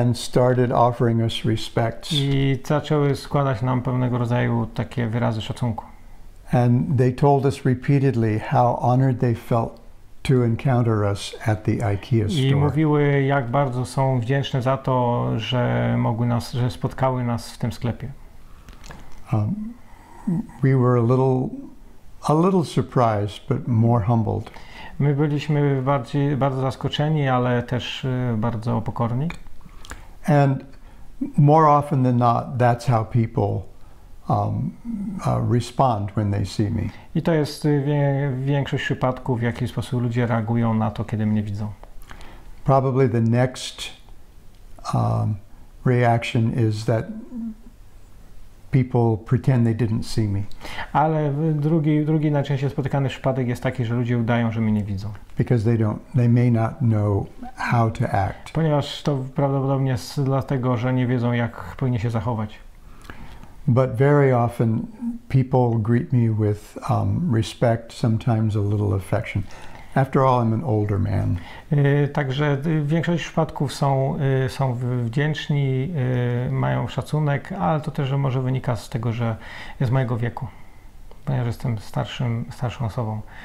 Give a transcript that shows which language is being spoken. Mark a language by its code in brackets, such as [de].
[en] and started offering us respects. [pl] I zaczęły składać nam pewnego rodzaju takie wyrazy szacunku. [en] And they told us repeatedly how honored they felt to encounter us at the IKEA store. [pl] I mówiły, jak bardzo są wdzięczne za to, że mogły nas, że spotkały nas w tym sklepie. [en] We were a little surprised, but more humbled. [pl] My byliśmy bardzo zaskoczeni, ale też bardzo pokorni. [en] And more often than not, that's how people respond when they see me. [pl] I to jest większość przypadków, w jaki sposób ludzie reagują na to, kiedy mnie widzą. [en] Probably the next reaction is that people pretend they didn't see me. [pl] Ale drugi najczęściej spotykany przypadek jest taki, że ludzie udają, że mnie nie widzą. [en] Because they may not know how to act. [pl] Ponieważ to prawdopodobnie jest dlatego, że nie wiedzą, jak powinni się zachować. [en] But very often people greet me with respect, sometimes a little affection. After all, I'm an older man. [pl] Także większość przypadków są wdzięczni, mają szacunek, ale to też może wynika z tego, że jest mojego wieku, ponieważ jestem starszą osobą.